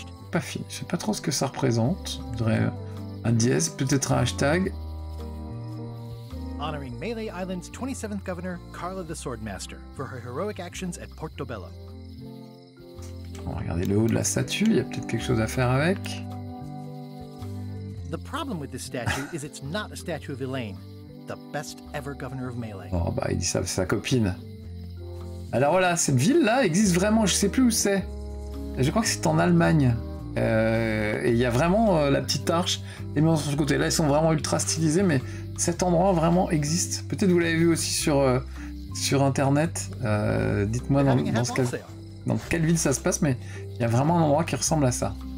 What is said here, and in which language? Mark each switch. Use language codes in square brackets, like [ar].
[fr] Pas fini, je sais pas trop ce que ça représente. Je voudrais un dièse, peut-être un hashtag. [en] Honoring Malay Island's 27th governor, Carla the Swordmaster, for her heroic actions at Portobello. [fr] On va regarder le haut de la statue, il y a peut-être quelque chose à faire avec. [en] The problem with this statue is it's not a statue of Elaine, the best ever governor of Malay. [fr] Oh bah, il dit ça à sa copine. Alors voilà, cette ville-là existe vraiment, je sais plus où c'est. Je crois que c'est en Allemagne. Et il y a vraiment la petite arche. Les maisons sur ce côté-là, elles sont vraiment ultra stylisées, mais cet endroit vraiment existe. Peut-être vous l'avez vu aussi sur Internet. Dites-moi dans quelle ville ça se passe, mais il y a vraiment un endroit qui ressemble à ça.